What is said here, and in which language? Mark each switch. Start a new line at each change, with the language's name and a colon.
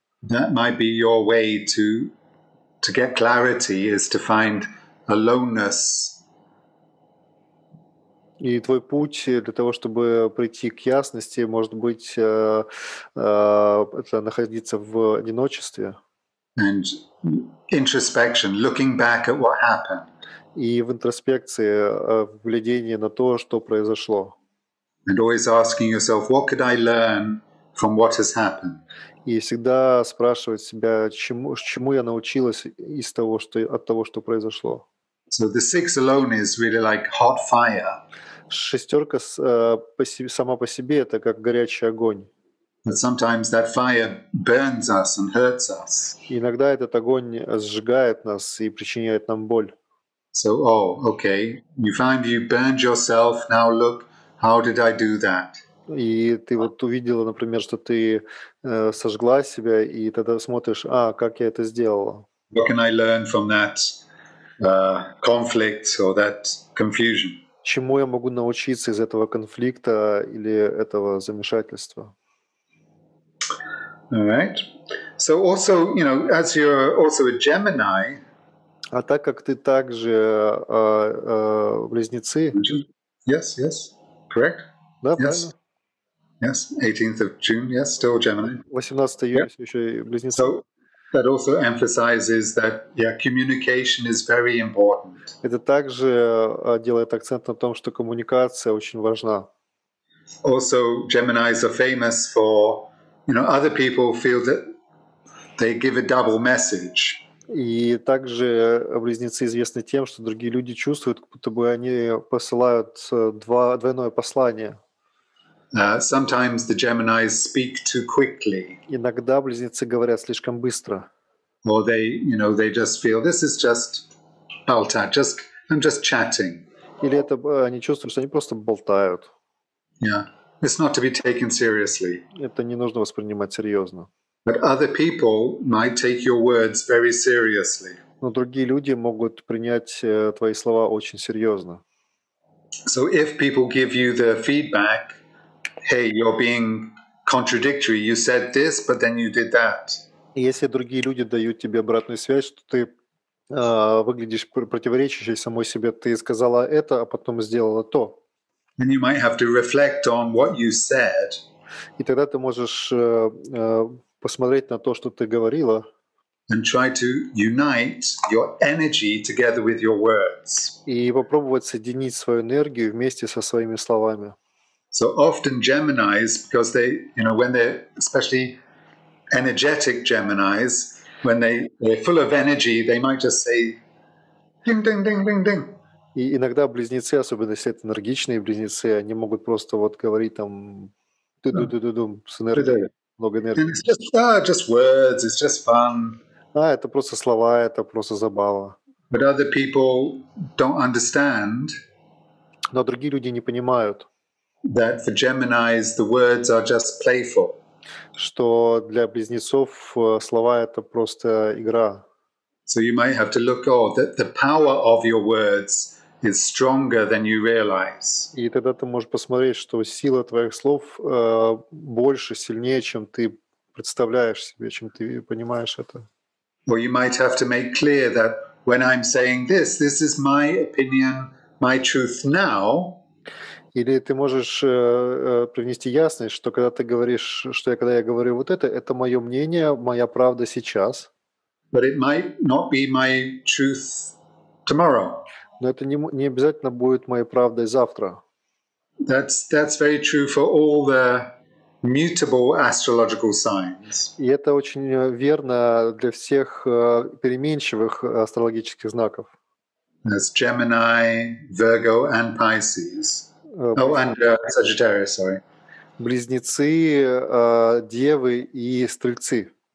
English: that might be your way to get clarity, is to find aloneness.
Russian: И твой путь для того, чтобы прийти к ясности, может быть, это находиться в одиночестве.
English: And introspection, looking back at what happened.
Russian: И в интроспекции, в глядении на то, что произошло.
English: And always asking yourself, what could I learn from what has happened?
Russian: И всегда спрашивать себя, чему я научилась из того, что от того, что произошло.
English: So the six alone is really like hot fire.
Russian: Шестерка сама по себе — это как горячий огонь.
English: Sometimes that fire burns us and hurts us.
Russian: Иногда этот огонь сжигает нас и причиняет нам боль.
English: So, oh, okay, you find you burned yourself. Now look, how did I do that?
Russian: И ты вот увидела, например, что ты сожгла себя, и тогда смотришь, а как я это сделала?
English: What can I learn from that conflict or that confusion?
Russian: Чему я могу научиться из этого конфликта или этого замешательства?
English: All right. So also, you know, as you're also a Gemini.
Russian: А так как ты также близнецы.
English: Yes, yes. Correct.
Russian: Да,
English: yes.
Russian: Правильно.
English: Yes. 18th of June. Yes, still Gemini.
Russian: 18 июня все еще близнецы.
English: So that also emphasizes that, yeah, communication is very important.
Russian: Это также делает акцент на том, что коммуникация очень важна.
English: Also, Geminis are famous for, you know, other people feel that they give a double message.
Russian: И также близнецы известны тем, что другие люди чувствуют, как будто бы они посылают двойное послание.
English: Sometimes the Geminis speak too quickly.
Russian: Иногда близнецы говорят слишком быстро.
English: Or they, you know, they just feel this is just
Russian: болтать,
English: just I'm just chatting.
Russian: Или это они чувствуют, что они просто болтают.
English: Yeah, it's not to be taken seriously.
Russian: Это не нужно воспринимать серьезно.
English: But other people might take your words very seriously.
Russian: Но другие люди могут принять твои слова очень серьезно.
English: So if people give you the feedback, hey, you're being contradictory. You said this, but then you did that.
Russian: если другие люди дают тебе обратную связь, что ты выглядишь противоречащей самой себе, ты сказала это, а потом сделала то.
English: And you might have to reflect on what you said.
Russian: И тогда ты можешь посмотреть на то, что ты говорила.
English: And try to unite your energy together with your words.
Russian: И попробовать соединить свою энергию вместе со своими словами.
English: So often Geminis, because they, you know, when they're especially energetic Geminis, when they're full of energy, they might just say ding ding ding ding ding.
Russian: И иногда близнецы, особенно если это энергичные близнецы, они могут просто вот говорить там ду-ду-ду-ду-ду с энергией, много энергии.
English: And it's just, just words, it's just fun.
Russian: А, это просто слова, это просто забава.
English: But other people don't understand.
Russian: Но другие люди не понимают.
English: That for Geminis the words are just playful.
Russian: Что для близнецов слова — это просто игра.
English: So you might have to look, oh, that the power of your words is stronger than you realize.
Russian: И тогда ты можешь посмотреть, что сила твоих слов больше, сильнее, чем ты представляешь себе, чем ты понимаешь это.
English: Or you might have to make clear that when I'm saying this, this is my opinion, my truth now.
Russian: Или ты можешь привнести ясность, что когда ты говоришь, что я, когда я говорю вот это мое мнение, моя правда сейчас.
English: But it might not be my truth tomorrow.
Russian: Но это не обязательно будет моей правдой завтра.
English: That's very true for all the mutable astrological signs.
Russian: И это очень верно для всех переменчивых астрологических знаков.
English: That's Gemini, Virgo, and Pisces. Sagittarius, sorry.
Russian: Близнецы, Девы и Стрельцы.